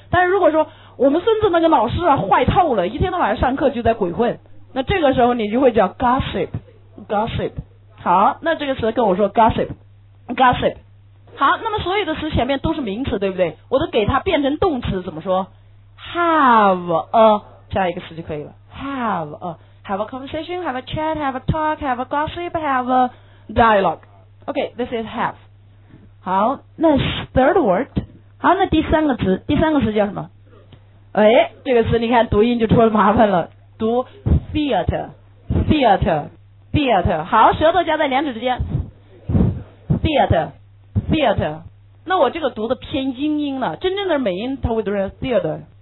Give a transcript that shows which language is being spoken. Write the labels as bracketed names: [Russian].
[Chinese] 但是如果说我们孙子那个老师啊坏透了，一天到晚上课就在鬼混，那这个时候你就会叫 gossip。好，那这个词跟我说 gossip。好，那么所有的词前面都是名词，对不对？我都给它变成动词，怎么说 ？ Have a 加一个词就可以了。 [English] Have a conversation, have a chat, have a talk, have a gossip, have a dialogue. Okay, this is have. [Chinese] 好，那 third word. 好，那第三个词叫什么？哎，这个词你看读音就出了麻烦了，读 theater。好，舌头夹在两指之间 ，theater。那我这个读的偏英音了，真正的美音它会读成 theater。